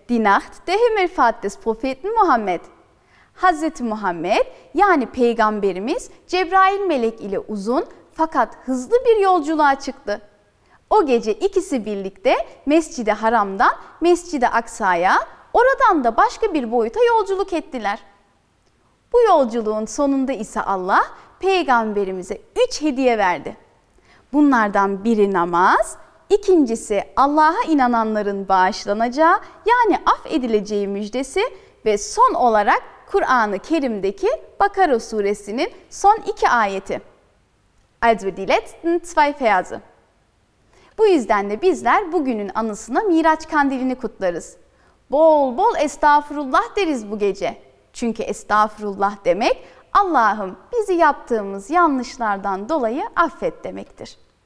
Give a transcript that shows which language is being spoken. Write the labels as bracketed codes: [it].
[de] Die Nacht der Himmelfahrt des Propheten Muhammed. [tr] Hazreti Muhammed yani Peygamberimiz Cebrail melek ile uzun fakat hızlı bir yolculuğa çıktı. O gece ikisi birlikte Mescid-i Haram'dan Mescid-i Aksa'ya, oradan da başka bir boyuta yolculuk ettiler. Bu yolculuğun sonunda ise Allah Peygamberimize 3 hediye verdi. Bunlardan biri namaz, İkincisi Allah'a inananların bağışlanacağı yani affedileceği müjdesi ve son olarak Kur'an-ı Kerim'deki Bakara suresinin son 2 ayeti. [de] Also die letzten zwei Verse. [tr] Bu yüzden de bizler bugünün anısına Miraç kandilini kutlarız. Bol bol estağfurullah deriz bu gece. Çünkü estağfurullah demek Allah'ım bizi yaptığımız yanlışlardan dolayı affet demektir.